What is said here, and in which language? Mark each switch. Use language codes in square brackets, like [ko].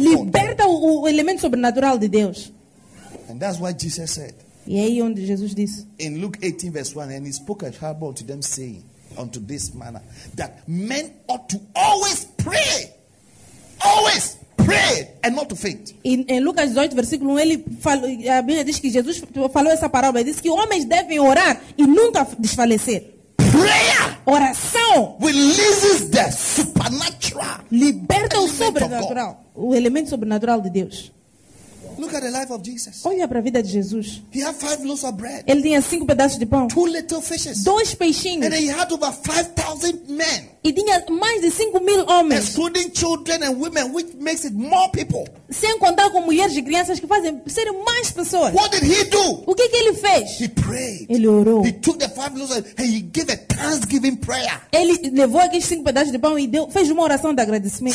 [pt] liberta [en] God. [pt] Liberta o elemento sobrenatural de Deus. [en] And that's what Jesus said. [pt] E aí onde Jesus disse. [en] In Luke 18 verse 1, and he spoke a parable to them saying. unto this manner, that men ought to always pray. Always pray and not to faint. [pt] Em Lucas 18, versículo 1, ele falou, a Bíblia diz que Jesus falou essa parábola. Ele disse que homens devem orar e nunca desfalecer. [en] Prayer, [pt] oração, [en] releases the supernatural. [pt] Liberta o sobrenatural. O elemento sobrenatural de Deus. [en] Look at the life of Jesus. [pt] Olha para a vida de Jesus. [en] He had 5 loaves of bread. [pt] Ele tinha 5 pedaços de pão. [en] 2 little fishes. [pt] 2 peixinhos. [en] And he had over 5,000 men. [pt] E tinha mais de 5,000 homens. [en] Excluding children and women, which makes it more people. [pt] Sem contar com mulheres e crianças, que fazem ser mais pessoas. [en] What did he do? [pt] O que que ele fez? [en] He prayed. [pt] Ele orou. [en] He took the 5 loaves and he gave a thanksgiving prayer. [pt] Ele levou aqueles 5 pedaços de pão e deu, fez uma oração de agradecimento.